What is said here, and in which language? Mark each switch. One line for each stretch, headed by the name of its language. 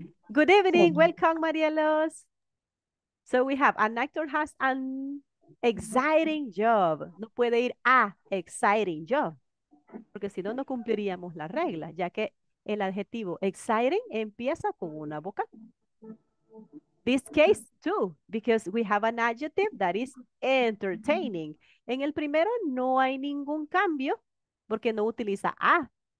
English: Good evening. Welcome, Marielos. So we have an actor has an exciting job.
Spanish: No puede ir a
English: exciting job.
Spanish: Porque si no, no cumpliríamos la regla, ya que el adjetivo exciting empieza con una vocal.
English: This case too, because we have an adjective that is entertaining.
Spanish: En el primero no hay ningún cambio porque no utiliza a.